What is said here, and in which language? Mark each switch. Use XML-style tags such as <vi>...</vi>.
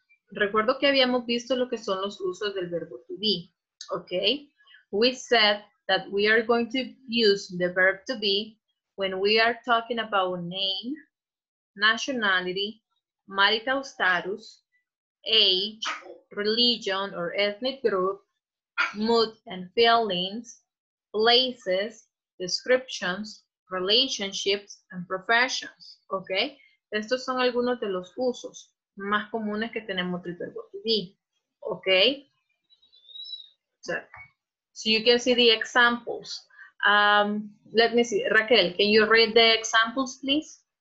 <es>Recuerdo que habíamos visto lo que son los usos del verbo to be.</es> <en>Okay. We said that we are going to use the verb to be when we are talking about name, nationality, marital status, age, religion or ethnic group, mood and feelings, places, descriptions, relationships and professions, ¿ok?</en> <es>Estos son algunos de los usos más comunes que tenemos del verbo to be, ¿ok?</es> <en>So you can see the examples. Let me see, Raquel, can you read the examples, please?</en>